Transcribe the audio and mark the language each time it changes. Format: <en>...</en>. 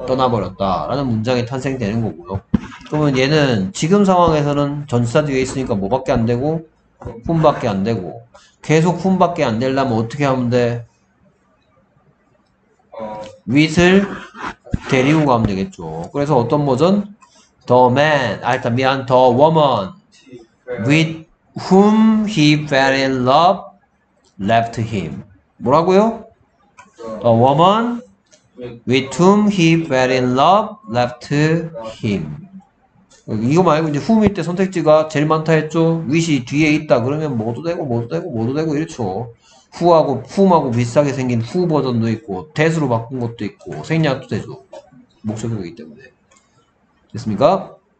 <ko>떠나버렸다 라는 문장이 탄생되는 거고요. 그러면 얘는 지금 상황에서는 전치사 뒤에 있으니까 뭐밖에 안 되고? 훈밖에 안 되고. 계속 훈밖에 안 되려면 어떻게 하면 돼? 윗을 데리고 가면 되겠죠. 그래서 어떤 버전?</ko> <en>The man,</en> <ko>아 일단 미안,</ko> <en>the woman with whom he fell in love left him.</en> <ko>뭐라고요?</ko> <en>The woman with whom he fell in love left him.</en> <ko>이거 말고 이제 whom일 때 선택지가 제일 많다 했죠. with이 뒤에 있다 그러면 뭐도 되고 뭐도 되고 뭐도 되고 이렇죠. who하고 whom하고 비슷하게 생긴 who 버전도 있고 that으로 바꾼 것도 있고 생략도 되죠. 목적이기 때문에. 됐습니까?</ko>